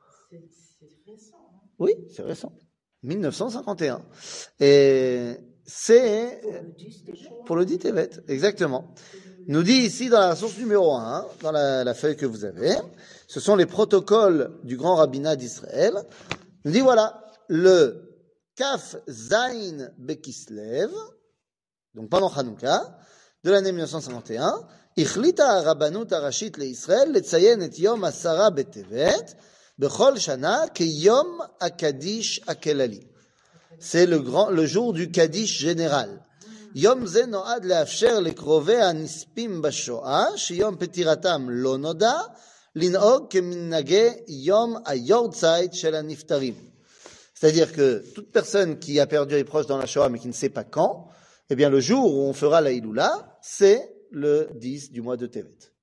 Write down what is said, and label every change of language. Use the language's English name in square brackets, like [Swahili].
[French] C'est récent. Oui, c'est récent. 1951. Et c'est pour le dit Tevet, exactement. Nous dit ici dans la source numéro 1, dans la feuille que vous avez, ce sont les protocoles du grand rabbinat d'Israël. Nous dit voilà, le Kaf Zayin Bekislev, donc pendant Hanouka, de l'année 1951, [Hebrew] החליטה הרבנות הראשית לישראל לציין את יום עשרה בטבת בכל שנה כיום הקדיש הכללי. [French] C'est le jour du קדיש général. [Hebrew] יום זה נועד לאפשר לקרובי הנספים בשואה שיום פטירתם לא נודע L'inog keminnage yom a yordzeit shel haniftarim. [French] C'est-à-dire que toute personne qui a perdu les proches dans la Shoah mais qui ne sait pas quand, eh bien le jour où on fera la Hiloula, c'est le 10 du mois de Tevet.